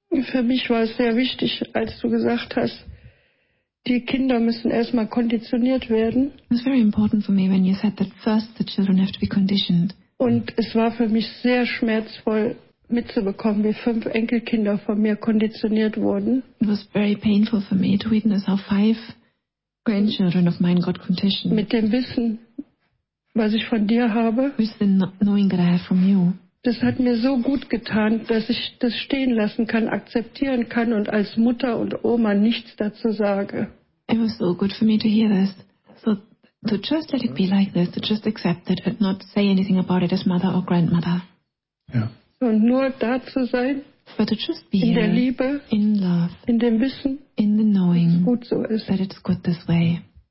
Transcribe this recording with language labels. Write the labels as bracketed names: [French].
[German] Für mich war es sehr wichtig, als du gesagt hast, Die Kinder müssen erstmal konditioniert werden. [English] It was very important for me when you said that first the children have to be conditioned. [German] Und es war für mich sehr schmerzvoll mitzubekommen, wie 5 Enkelkinder von mir konditioniert wurden. [English] It was very painful for me to witness how 5 grandchildren of mine got conditioned. [German] Mit dem Wissen, was ich von dir habe. [English] With the knowing that I have from you. [German] Das hat mir so gut getan, dass ich das stehen lassen kann, akzeptieren kann und als Mutter und Oma nichts dazu sage. [English] It was so good for me to hear this. So to just let it be like this, to just accept it and not say anything about it as mother or grandmother. [German] Ja. Und nur da zu sein, [English] but to just be [German] in der Liebe, [English] in love, [German] in dem Wissen, [English] in the knowing, [German] dass es gut so ist. [English] That it's good this way.